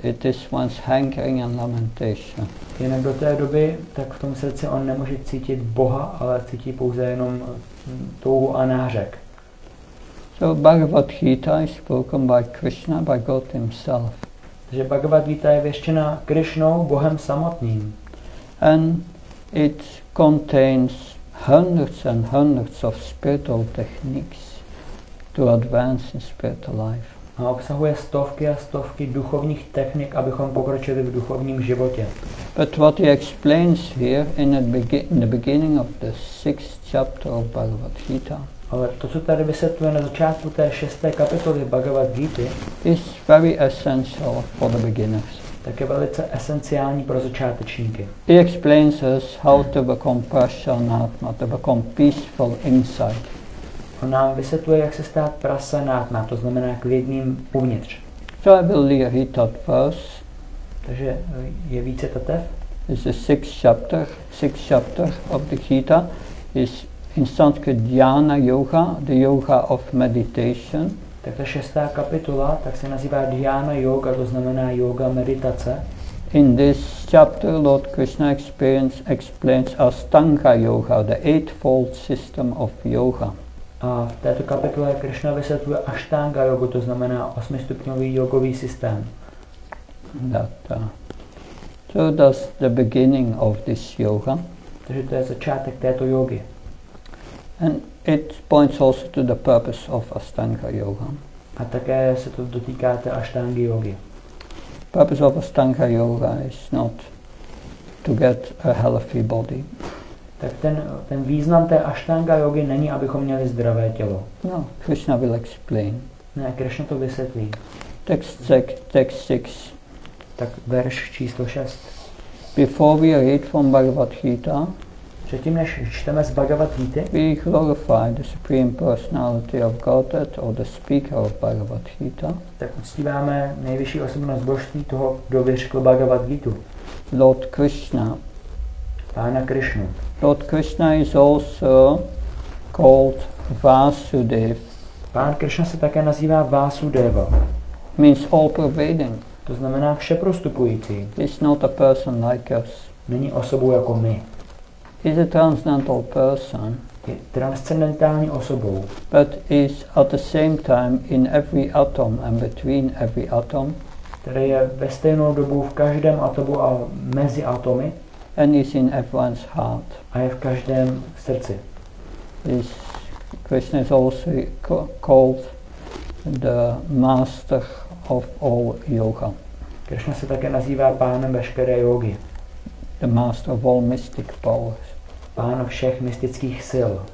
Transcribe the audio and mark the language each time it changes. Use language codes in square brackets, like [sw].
[en] It is one's hankering and lamentation. [cs] Jinak do té doby, tak v tom srdci on nemůže cítit Boha, ale cítí pouze jenom touhu a nářek. [en] So Bhagavad Gita is spoken by Krishna, by God himself. [cs] Takže Bhagavad Gita je věštěna Krishnou, Bohem samotným. [en] And it contains hundreds and hundreds of spiritual techniques to advance in spiritual life. [cs] A obsahuje stovky a stovky duchovních technik, abychom pokročili v duchovním životě. [en] But what he explains here in the beginning of the sixth chapter of Bhagavad Gita. [cs] Ale to, co tady vysvětluje na začátku té šesté kapitoly Bhagavad Gita, [en] is very essential for the beginners. [cs] tak je velice esenciální pro začátečníky. [en] He explains us how to become prasanatma, to become peaceful inside. [cs] On nám vysvětluje, jak se stát prasanatma, to znamená klidným uvnitř. [en] So I will read it at first. [cs] Takže je více tatev? [en] It's the sixth chapter of the Gita. It's in Sanskrit Dhyana Yoga, the Yoga of Meditation. [cs] Tak ta šestá kapitola, tak se nazývá Dhyana Yoga, to znamená yoga meditace. [en] In this chapter, Lord Krishna explains Ashtanga Yoga, the eightfold system of yoga. [cs] A v této kapitole Krishna vysvětluje Ashtanga Yoga, to znamená osmistupňový jogový systém. [en] So that's the beginning of this yoga. [cs] Takže to je začátek této jogy. [en] And it points also to the purpose of Ashtanga Yoga. [cs] A také se to dotýká té Ashtanga Yogi. [en] Purpose of Ashtanga Yoga is not to get a healthy body. [cs] Tak ten význam té Ashtanga Yogi není, abychom měli zdravé tělo. [en] No, Krishna will explain. [cs] Ne, Krishna to vysvětlí. [en] Text 6. [cs] Tak verš číslo 6. [en] Before we read from Bhagavad Gita, [cs] předtím, než čteme z Bhagavad Gita, [en] we glorify the Supreme Personality of Godhead or the speaker of Bhagavad Gita. [cs] Tak uctíváme nejvyšší osobnost božství toho, kdo vyřekl Bhagavad Gita. [en] Lord Krishna. [cs] Pána Krishnu. [en] Lord Krishna is also called Vasudev. [cs] Pán Krishna se také nazývá Vasudeva. [en] Means all pervading. [cs] To znamená všeprostupující. [en] He's not a person like us. [cs] Není osobou jako my. [en] He's a transcendental person. [cs] Je transcendentální osobou. [en] But is at the same time in every atom and between every atom. [cs] Tedy je ve stejnou dobu v každém atomu a mezi atomy. [en] And is in everyone's heart. [cs] A je v každém srdci. [en] This Krishna is also called the master of all yoga. [cs] Krishna se také nazývá pánem veškeré jógy. [en] The master of all mystic powers. [cs] Pán všech mystických sil.